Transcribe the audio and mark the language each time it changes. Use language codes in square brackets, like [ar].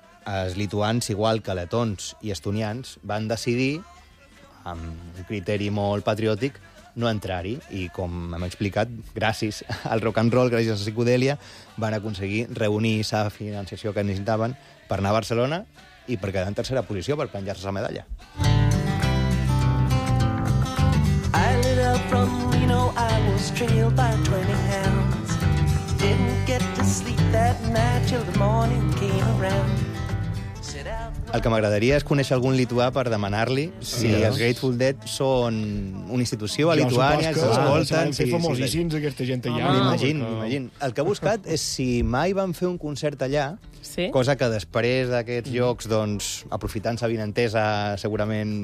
[ca] els lituans, igual que letons i estonians, van decidir, amb un criteri molt patriòtic, no entrar-hi. I, com hem explicat, gràcies al rock and roll, gràcies a la psicodèlia, van aconseguir reunir la financiació que necessitaven per anar a Barcelona i per quedar en tercera posició, per penjar-se la medalla. [en] I lit up from Reno, I was trailed by 20 hounds. Didn't get to sleep that night till the morning came around. [ca] El que m'agradaria és conèixer algun lituà per demanar-li si els Grateful Dead són una institució a Lituània, els escolten... Són famosíssims, sí, aquesta gent allà. M'imagino. El que he buscat és si mai van fer un concert allà, cosa que després d'aquests llocs, doncs, aprofitant sa vinentesa, segurament